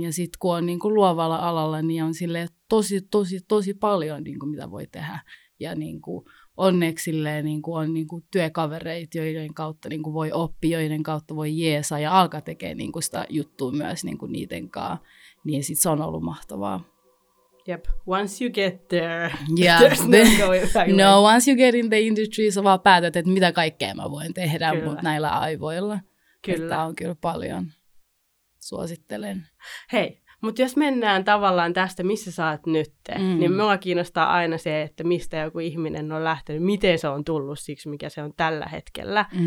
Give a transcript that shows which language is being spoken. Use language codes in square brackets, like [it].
[fi] Ja sitten kun on niinku luovalla alalla, niin on silleen tosi paljon, niinku, mitä voi tehdä. Ja niinku, onneksi silleen, niinku, on niinku, työkavereita, joiden kautta niinku, voi oppia, joiden kautta voi jeesaa ja alkaa tekemään niinku, sitä juttua myös niinku, niiden kanssa. Niin sitten se on ollut mahtavaa. [en] Yep. Once you get there, yeah, there's no going back. [fi] No, [en] once you get in the industry, [fi] sä vaan päätät, että mitä kaikkea mä voin tehdä mut näillä aivoilla. Kyllä. Että on kyllä paljon. Suosittelen. Hei, mutta jos mennään tavallaan tästä, missä sä oot nytte, niin mua kiinnostaa aina se, että mistä joku ihminen on lähtenyt, miten se on tullut siksi, mikä se on tällä hetkellä.